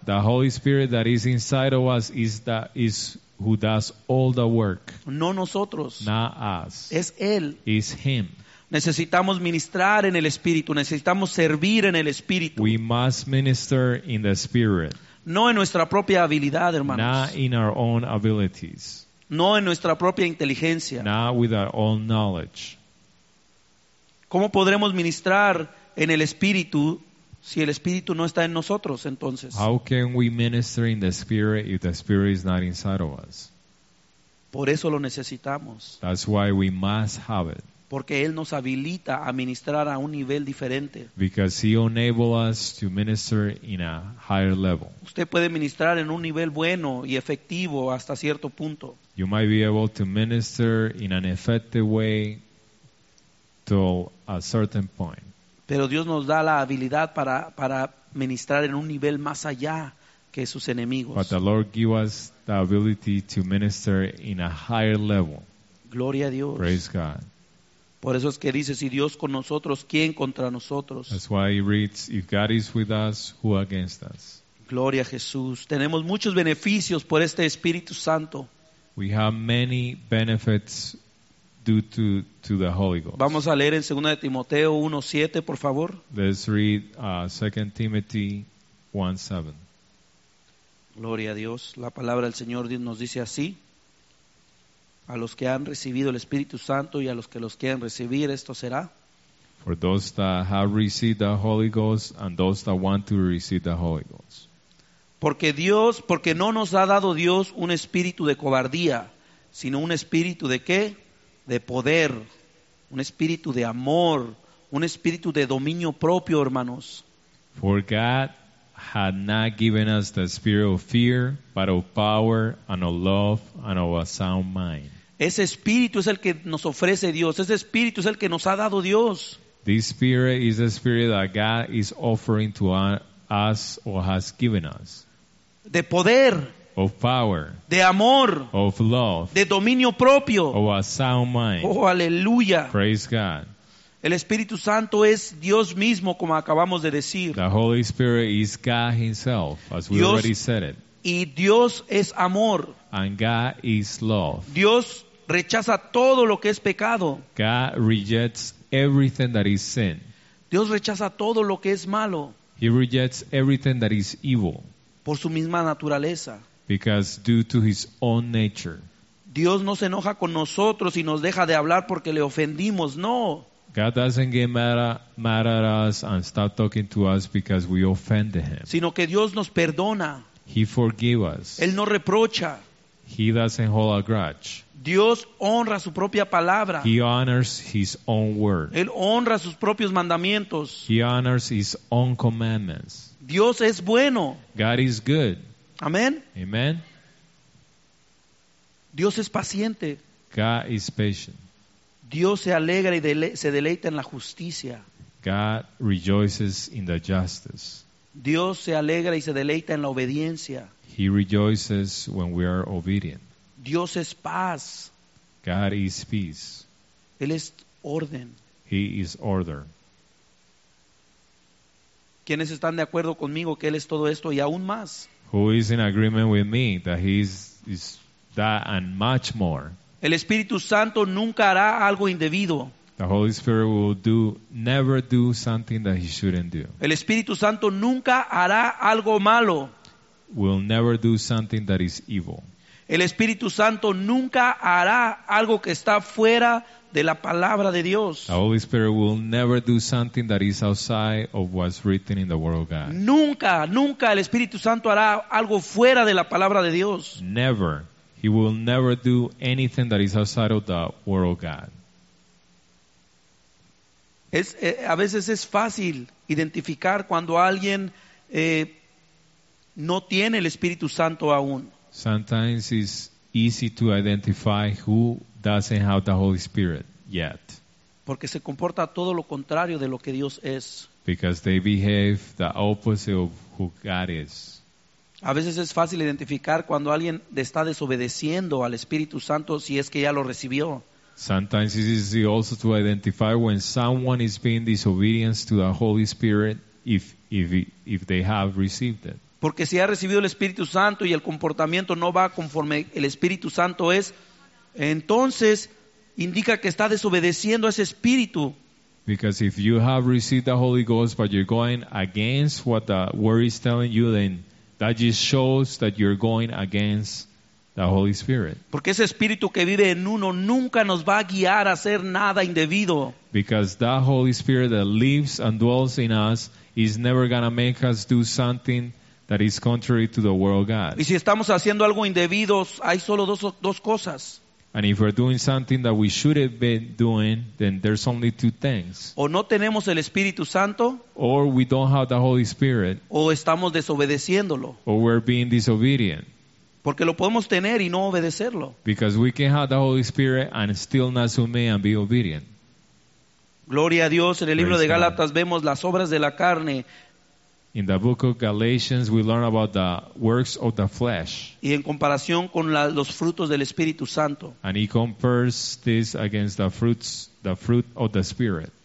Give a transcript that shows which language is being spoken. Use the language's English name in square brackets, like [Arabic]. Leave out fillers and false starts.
[English] The Holy Spirit that is inside of us is who does all the work. [Spanish] No nosotros. [English] Not us. [Spanish] Es Él. [English] It's Him. [Spanish] Necesitamos ministrar en el Espíritu. Necesitamos servir en el Espíritu. [English] We must minister in the Spirit. [Spanish] No en nuestra propia habilidad, hermanos. [English] Not in our own abilities. [Spanish] No en nuestra propia inteligencia. [English] Not with our own knowledge. [Spanish] ¿Cómo podremos ministrar en el Espíritu, si el Espíritu no está en nosotros, entonces? [English] How can we minister in the Spirit if the Spirit is not inside of us? [Spanish] Por eso lo necesitamos. [English] That's why we must have it. [Spanish] Porque Él nos habilita a ministrar a un nivel diferente. [English] Because He enables us to minister in a higher level. [Spanish] Usted puede ministrar en un nivel bueno y efectivo hasta cierto punto. [English] You might be able to minister in an effective way to a certain point. [Spanish] Pero Dios nos da la habilidad para ministrar en un nivel más allá que sus enemigos. [English] But the Lord gives us the ability to minister in a higher level. [Spanish] Gloria a Dios. [English] Praise God. [Spanish] Por eso es que dice, si Dios con nosotros, ¿quién contra nosotros? [English] That's why he reads, if God is with us, who against us? [Spanish] Gloria a Jesús. Tenemos muchos beneficios por este Espíritu Santo. [English] We have many benefits due to the Holy Ghost. [Spanish] Vamos a leer en 2 Timoteo 1:7, por favor. [English] Let's read 2 Timothy 1:7. [Spanish] Gloria a Dios. La palabra del Señor nos dice así: a los que han recibido el Espíritu Santo y a los que los quieren recibir, esto será. [English] For those that have received the Holy Ghost and those that want to receive the Holy Ghost. [Spanish] Porque no nos ha dado Dios un espíritu de cobardía, sino un espíritu de ¿qué? De poder, un espíritu de amor, un espíritu de dominio propio, hermanos. [English] For God had not given us the spirit of fear, but of power and of love and of a sound mind. [Spanish] Ese espíritu es el que nos ofrece Dios. Ese espíritu es el que nos ha dado Dios. [English] This spirit is the spirit that God is offering to us or has given us. [Spanish] De poder. [English] Of power. [Spanish] De amor. [English] Of love. [Spanish] De dominio propio. [English] Of a sound mind. [Spanish] Oh, aleluya. [English] Praise God. [Spanish] El Espíritu Santo es Dios mismo, como acabamos de decir. [English] The Holy Spirit is God himself, as we [Spanish] Dios [English] already said it. [Spanish] Y Dios es amor. [English] And God is love. [Spanish] Dios rechaza todo lo que es pecado. [English] God rejects everything that is sin. [Spanish] Dios rechaza todo lo que es malo. [English] He rejects everything that is evil. [Spanish] Por su misma naturaleza. [English] Because due to his own nature. [Spanish] Dios no se enoja con nosotros y nos deja de hablar porque le ofendimos. No. [English] God doesn't get mad at us and stop talking to us because we offended him. [Spanish] Sino que Dios nos perdona. [English] He forgives us. [Spanish] Él no reprocha. [English] He doesn't hold a grudge. [Spanish] Dios honra su propia palabra. [English] He honors his own word. [Spanish] Él honra sus propios mandamientos. [English] He honors his own commandments. [Spanish] Dios es bueno. [English] God is good. [Spanish] Amén. [English] Amen. [Spanish] Dios es paciente. [English] God is patient. [Spanish] Dios se alegra y se deleita en la justicia. [English] God rejoices in the justice. [Spanish] Dios se alegra y se deleita en la obediencia. [English] He rejoices when we are obedient. [Spanish] Dios es paz. [English] God is peace. [Spanish] Él es orden. [English] He is order. [Spanish] ¿Quiénes están de acuerdo conmigo que Él es todo esto y aún más? [English] Who is in agreement with me that He is that and much more? [Spanish] El Espíritu Santo nunca hará algo indebido. [English] The Holy Spirit will never do something that He shouldn't do. [Spanish] El Espíritu Santo nunca hará algo malo. [English] Will never do something that is evil. [Spanish] El Espíritu Santo nunca hará algo que está fuera de la palabra de Dios. [English] The Holy Spirit will never do something that is outside of what's written in the Word of God. [Spanish] Nunca, nunca el Espíritu Santo hará algo fuera de la palabra de Dios. [English] Never. He will never do anything that is outside of the Word of God. [Spanish] A veces es fácil identificar cuando alguien no tiene el Espíritu Santo aún. [English] Sometimes it's easy to identify who doesn't have the Holy Spirit yet. [Spanish] Porque se comporta todo lo contrario de lo que Dios es. [English] Because they behave the opposite of who God is. [Spanish] A veces es fácil identificar cuando alguien está desobedeciendo al Espíritu Santo si es que ya lo recibió. [English] Sometimes it's easy also to identify when someone is being disobedient to the Holy Spirit if they have received it. [Spanish] Porque si ha recibido el Espíritu Santo y el comportamiento no va conforme el Espíritu Santo es, entonces indica que está desobedeciendo a ese Espíritu. [English] Because if you have received the Holy Ghost but you're going against what the Word is telling you, then that just shows that you're going against the Holy Spirit. [Spanish] Porque ese Espíritu que vive en uno nunca nos va a guiar a hacer nada indebido. [English] Because that Holy Spirit that lives and dwells in us is never going to make us do something that is contrary to the Word of God. [Spanish] Y si estamos haciendo algo indebido, hay solo dos cosas. [English] And if we're doing something that we should have been doing, then there's only two things. [Spanish] O no tenemos el Espíritu Santo. [English] Or we don't have the Holy Spirit. [Spanish] O estamos desobedeciéndolo. [English] Or we're being disobedient. [Spanish] Porque lo podemos tener y no obedecerlo. [English] Because we can have the Holy Spirit and still not submit and be obedient. [Spanish] Gloria a Dios. En el libro de Gálatas vemos las obras de la carne. [English] In the book of Galatians, we learn about the works of the flesh. [Spanish] Y en comparación con los frutos del Espíritu Santo. [English] And he compares this against the fruit of the Spirit.